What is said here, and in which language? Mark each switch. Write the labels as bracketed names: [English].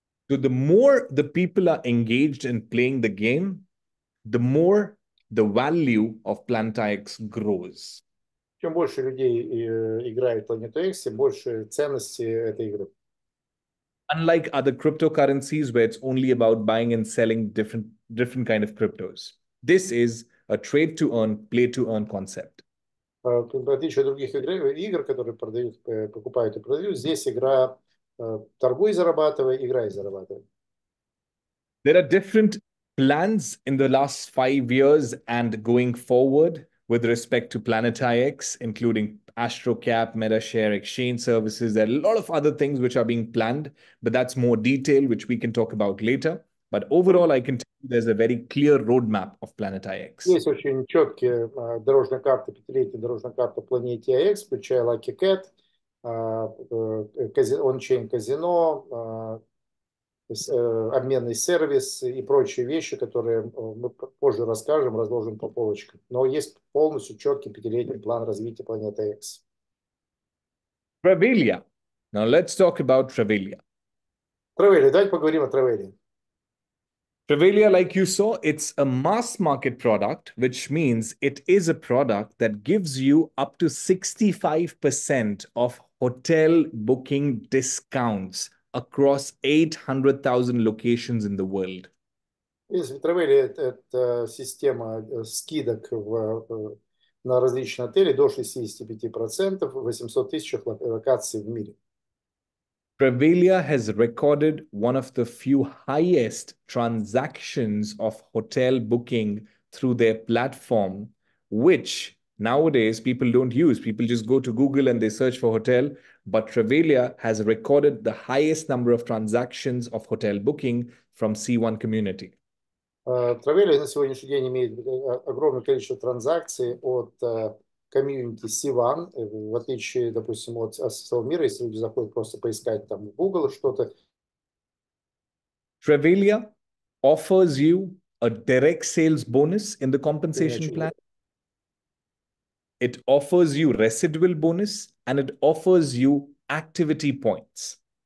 [English] So the more the people are engaged in playing the game, the more the value of Planet IX grows. [Russian] Чем больше людей играют в Planet IX, тем больше ценности этой игры. [English] Unlike other cryptocurrencies, where it's only about buying and selling different kind of cryptos. This is a trade to earn, play to earn concept. [Russian] В отличие от других игр, которые продают, покупают и продают, здесь игра торгуй и зарабатывай, играй и зарабатывай. [English] There are different plans in the last 5 years and going forward with respect to Planet IX, including AstroCap, MetaShare, exchange services. There are a lot of other things which are being planned, but that's more detail, which we can talk about later. But overall, I can tell you there's a very clear roadmap of Planet IX. [Russian] Есть очень четкие дорожные карты, пятилетняя дорожная карта Planet IX, включая Lucky Cat, on-chain казино, обменный сервис и прочие вещи, которые мы позже расскажем, разложим по полочкам. Но есть полностью четкий пятилетний план развития Planet IX. [English] Travelia. Now let's talk about Travelia. [Russian] Travelia. Давайте поговорим о Travelia. [English] Travelia, like you saw, it's a mass market product, which means it is a product that gives you up to 65% of hotel booking discounts across 800,000 locations in the world. [Russian] Система скидок на различные отели до 65% в 800,000 локаций в мире. [English] Travelia has recorded one of the few highest transactions of hotel booking through their platform, which nowadays people don't use. People just go to Google and they search for hotel. But Travelia has recorded the highest number of transactions of hotel booking from C1 community. [Russian] Travelia на сегодняшний день имеет огромное количество транзакций от комьюнити C1, в отличие, допустим, от всего мира, если люди заходят просто поискать там в Google что-то. [English] Travelia offers you a direct sales bonus in the compensation plan. It offers you residual bonus and it offers you activity points.